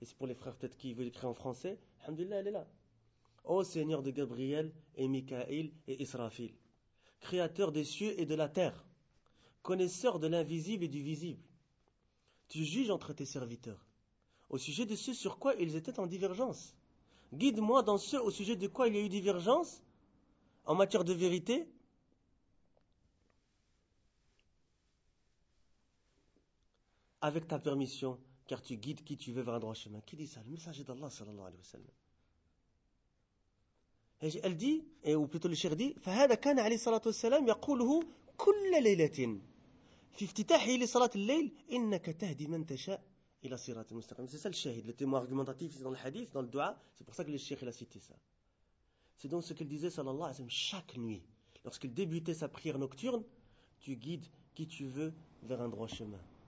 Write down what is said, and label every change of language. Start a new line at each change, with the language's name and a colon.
French: Et c'est pour les frères peut-être qui veulent écrire en français. Alhamdulillah, elle est là. Ô Seigneur de Gabriel et Mikaïl et Israfil, Créateur des cieux et de la terre, Connaisseur de l'invisible et du visible, tu juges entre tes serviteurs au sujet de ce sur quoi ils étaient en divergence. Guide-moi dans ce au sujet de quoi il y a eu divergence en matière de vérité. Avec ta permission, car tu guides qui tu veux vers un droit chemin. Qui dit ça? Le messager d'Allah, sallallahu alayhi wa sallam. Et elle dit, et ou plutôt le cheikh dit,
Arabic: فَهَذَا كَانَ عَلَيْهِ صَلَاتُ وَسَلَامِ يَقُولُهُ كُلَّ لَيْلَةٍ فِي افْتِتَاحِهِ لِصَلَاتِ اللَّيْلِ إِنَّكَ تَهْدِي مَنْ تَشَاءُ إِلَى صِرَاطٍ مُسْتَقِيمٍ.
French: C'est ça le shahid, le témoin argumentatif dans le hadith, dans le dua. C'est pour ça que le cheikh a cité ça. C'est donc ce qu'il disait, sallallahu alayhi wa sallam, chaque nuit, lorsqu'il débutait sa prière nocturne, tu guides qui tu veux vers un droit chemin.